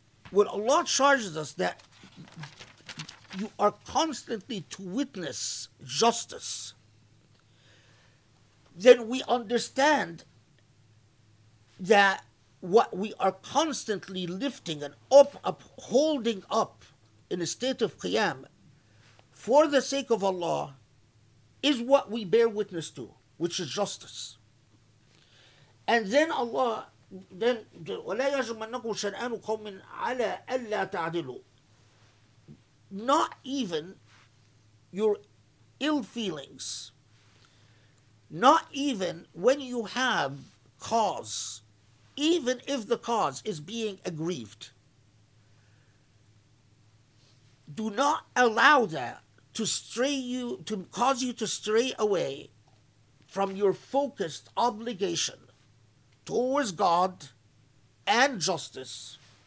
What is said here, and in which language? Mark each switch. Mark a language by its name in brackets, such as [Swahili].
[English] When Allah charges us that you are constantly to witness justice, then we understand that what we are constantly lifting and upholding up in a state of qiyam for the sake of Allah is what we bear witness to, which is justice. And then Allah, then [Arabic] وَلَا يَجْمَنَّكُمْ شَنْآنُ قَوْمٍ عَلَىٰ أَلَّا تَعْدِلُوا. [English] Not even your ill feelings, not even when you have cause, even if the cause is being aggrieved, do not allow that to stray you, to cause you to stray away from your focused obligation towards God and justice.